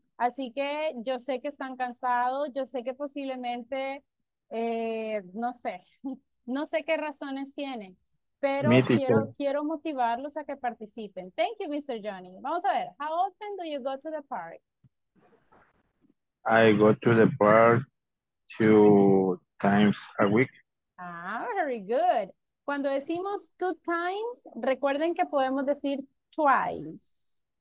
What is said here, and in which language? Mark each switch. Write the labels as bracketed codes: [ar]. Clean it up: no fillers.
[es] Así que yo sé que están cansados, yo sé que posiblemente, no sé qué razones tienen, pero quiero motivarlos a que participen. [en] Thank you, Mr. Johnny. [es] Vamos a ver, [en] how often do you go to the park? I go to the park 2 times a week. Ah, very good. [es] Cuando decimos [en] 2 times, [es] recuerden que podemos decir [en] twice.